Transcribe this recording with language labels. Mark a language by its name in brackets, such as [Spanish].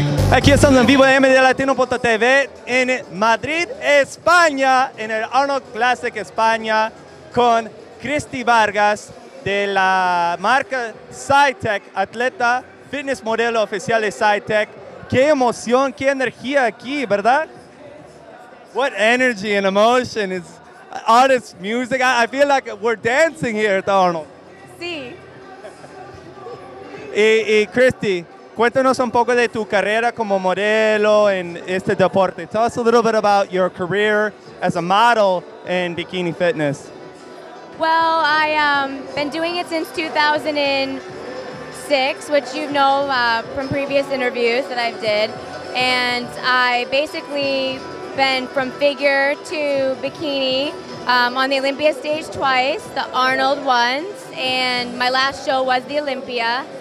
[Spanish] Aquí estamos en vivo en MDLatino.tv en Madrid, España, en el Arnold Classic España con Cristi Vargas de la marca Cytec, atleta, fitness modelo oficial de Cytec. Qué emoción, qué energía aquí, ¿verdad? [English] What energy and emotion is all this music. I feel like we're dancing here at the Arnold. [Spanish] Sí. Y Cristi, cuéntanos un poco de tu carrera como modelo en este deporte. [English] Tell us a little bit about your career as a model in bikini fitness. Well, I've been doing it since 2006, which you know from previous interviews that I've did. And I basically been from figure to bikini on the Olympia stage twice, the Arnold once, and my last show was the Olympia.